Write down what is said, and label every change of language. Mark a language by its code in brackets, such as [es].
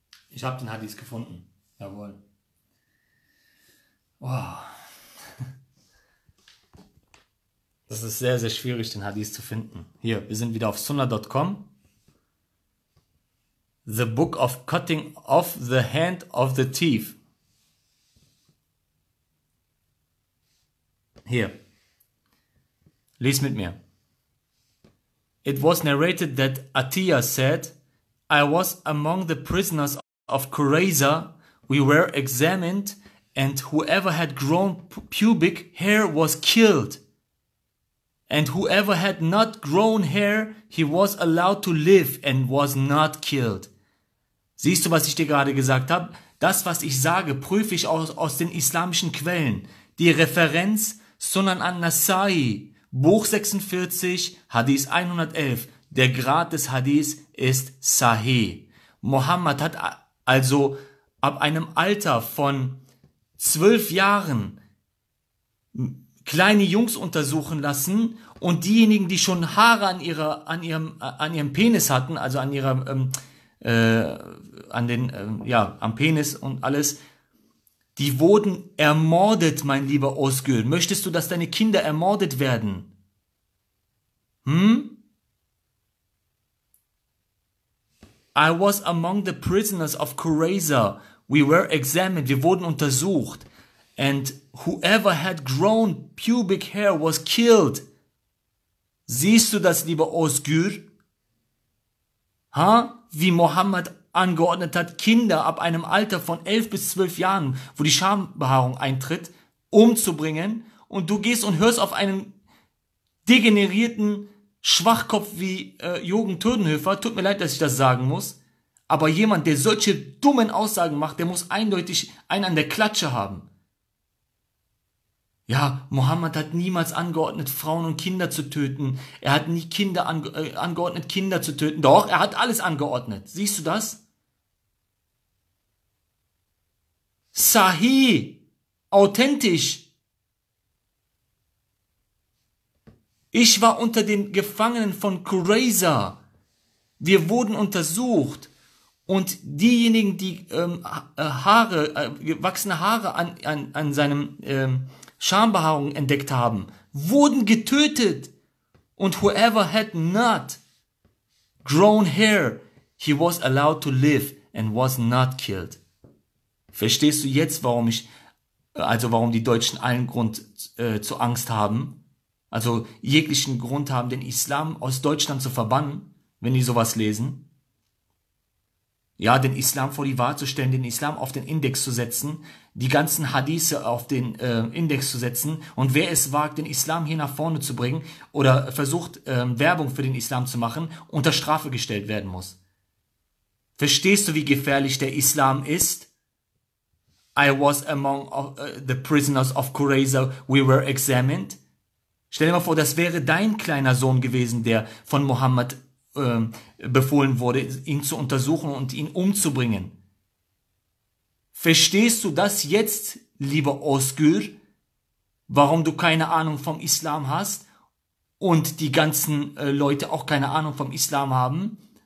[de] Ich habe den Hadith gefunden. Jawohl. Oh. Das ist sehr, sehr schwierig, den Hadith zu finden. Hier, wir sind wieder auf sunnah.com. [en] The Book of Cutting Off the Hand of the Thief. [de] Hier. Lies mit mir. [en] It was narrated that Atiyah said, I was among the prisoners of Quraiza, we were examined, and whoever had grown pubic hair was killed, and whoever had not grown hair, he was allowed to live and was not killed. [de] Siehst du, was ich dir gerade gesagt habe? Das, was ich sage, prüfe ich aus den islamischen Quellen. Die Referenz Sunan an-Nasai, Buch 46, Hadith 111. Der Grad des Hadith ist Sahih. Muhammad hat also ab einem Alter von 12 Jahren kleine Jungs untersuchen lassen und diejenigen, die schon Haare an ihrem Penis hatten, also an ihrem am Penis und alles, die wurden ermordet, mein lieber Özgül. Möchtest du, dass deine Kinder ermordet werden? [en] I was among the prisoners of Quraiza. We were examined. [de] Wir wurden untersucht. [en] And whoever had grown pubic hair was killed. [de] Siehst du das, lieber Özgür? Ha? Wie Mohammed angeordnet hat, Kinder ab einem Alter von 11 bis 12 Jahren, wo die Schambehaarung eintritt, umzubringen. Und du gehst und hörst auf einen degenerierten Schwachkopf wie Jürgen Tödenhöfer. Tut mir leid, dass ich das sagen muss. Aber jemand, der solche dummen Aussagen macht, der muss eindeutig einen an der Klatsche haben. Ja, Mohammed hat niemals angeordnet, Frauen und Kinder zu töten. Er hat nie Kinder angeordnet, Kinder zu töten. Doch, er hat alles angeordnet. Siehst du das? Sahih. Authentisch. Ich war unter den Gefangenen von Quraiza. Wir wurden untersucht. Und diejenigen, die gewachsene Haare an seinem Schambehaarung entdeckt haben, wurden getötet. Und [en] whoever had not grown hair, he was allowed to live and was not killed. [de] Verstehst du jetzt, warum die Deutschen allen Grund zu Angst haben? Also jeglichen Grund haben, den Islam aus Deutschland zu verbannen, wenn die sowas lesen? Ja, den Islam vor die Wahl zu stellen, den Islam auf den Index zu setzen, die ganzen Hadithe auf den Index zu setzen und wer es wagt, den Islam hier nach vorne zu bringen oder versucht, Werbung für den Islam zu machen, unter Strafe gestellt werden muss. Verstehst du, wie gefährlich der Islam ist? [en] I was among the prisoners of Quraiza, we were examined. [de] Stell dir mal vor, das wäre dein kleiner Sohn gewesen, der von Mohammed befohlen wurde, ihn zu untersuchen und ihn umzubringen. Verstehst du das jetzt, lieber Özgür, warum du keine Ahnung vom Islam hast und die ganzen Leute auch keine Ahnung vom Islam haben?